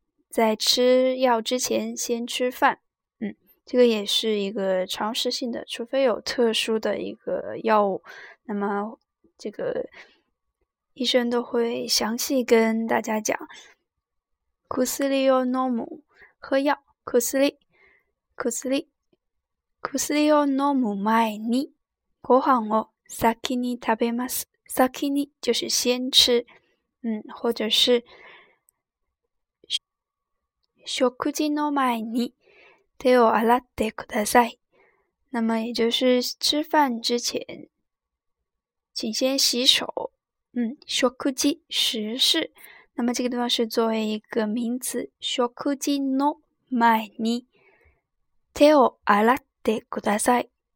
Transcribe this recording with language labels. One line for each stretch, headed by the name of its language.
Chinese: 在吃药之前先吃饭。这个也是一个常识性的，除非有特殊的一个药物，那么这个医生都会详细跟大家讲。
Japanese: 薬を飲む，
Chinese: 喝药。
Japanese: 薬を飲む前に、ご飯を先に食べます。
Chinese: 先に就是先吃，或者是
Japanese: 食事の前に。手を洗ってください。
Chinese: 那么也就是吃饭之前请先洗手。
Japanese: 食事食事。
Chinese: 那么这个地方是作为一个名词
Japanese: 食事の前に手を洗ってください。